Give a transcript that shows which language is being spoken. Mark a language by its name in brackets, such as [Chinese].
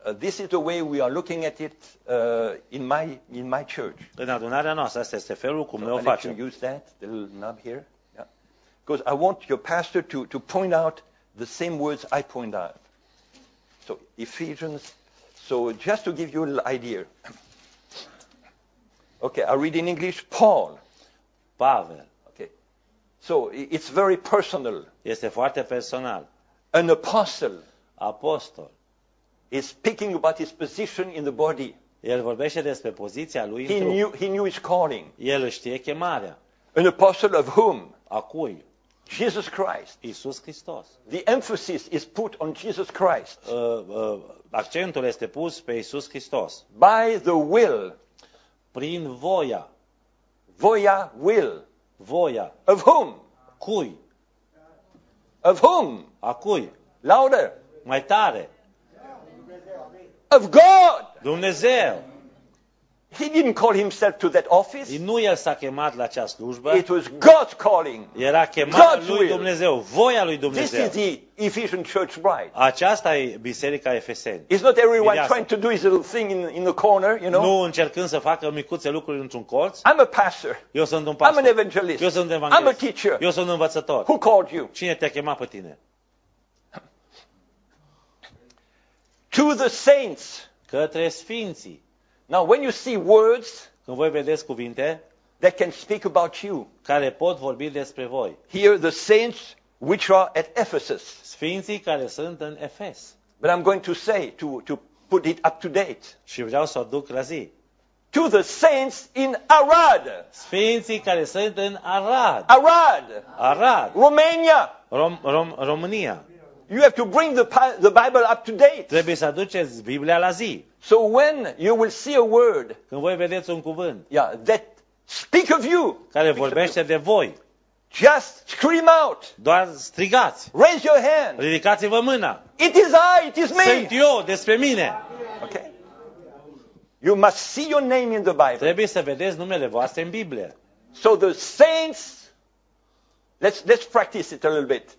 [English] This is the way we are looking at it in my church. [Romanian] În adunarea noastră, asta este felul cum noi o facem. [English] Can you use that, the little knob here? Yeah. Because I want your pastor to point out the same words I point out. So Ephesians, so just to give you an idea, Okay, I read in English, Paul. [Romanian] Pavel. [English] Okay. So it's very personal. [Romanian] Este foarte personal. [English] An apostle. [Romanian] Apostol. [English] He's speaking about his position in the body. [Romanian] El vorbește despre poziția lui în trup. [English] He knew his calling. [Romanian] El știe chemarea. [English] An apostle of whom? [Romanian] A cui? [English] Jesus Christ. [Romanian] Iisus Hristos. [English] The emphasis is put on Jesus Christ. [Romanian] Accentul este pus pe Iisus Hristos. [English] By the will. [Romanian] Prin voia. Voia, will. Voia. [English] Of whom? [Romanian] Cui? [English] Of whom? [Romanian] A cui? [English] Louder. [Romanian] Mai tare. [English] Of God. [Romanian] Dumnezeu. [English] He didn't call himself to that office. [Romanian] Nu el s-a chemat la acea slujbă. [English] It was God's calling. [Romanian] Era chemarea lui Dumnezeu, voia lui Dumnezeu. [English] This is the Ephesian church bride. [Romanian] Aceasta e biserica Efeseni. [English] It's not everyone trying to do his little thing in the corner, you know? [Romanian] Nu încercând să facă micuțe lucruri într-un colț. [English] I'm a pastor. [Romanian] Eu sunt un pastor. [English] I'm an evangelist. [Romanian] Eu sunt evanghelist. [English] I'm a teacher. [Romanian] Eu sunt învățător. [English] Who called you? [Romanian] Cine te-a chemat pe tine? [English] To the saints. [Romanian] Către sfinții. [English] Now, when you see words, [Romanian] când voi vedeți cuvinte, [English] that can speak about you, [Romanian] care pot vorbi despre voi. [English] Here, the saints which are at Ephesus, [Romanian] sfinții care sunt în Efes. [English] But I'm going to say to put it up to date. [Romanian] Și vreau să o duc la zi. [English] To the saints in Arad, [Romanian] sfinții care sunt în Arad. [English] Arad. [Romanian] Arad. [English] Romania. [Romanian] România. [English] You have to bring the Bible up to date. [Romanian] Trebuie să aduceți Biblia la zi. [English] So when you will see a word, [Romanian] când voi vedeți un cuvânt, [English] yeah, that speak of you, [Romanian] care vorbește de voi, [English] just scream out, [Romanian] doar strigați, [English] raise your hand, [Romanian] ridicați-vă mâna, [English] it is I, it is me, [Romanian] sunt eu, despre mine, [English] okay? You must see your name in the Bible. [Romanian] Trebuie să vedeți numele voastre în Biblie. [English] So the saints, let's practice it a little bit.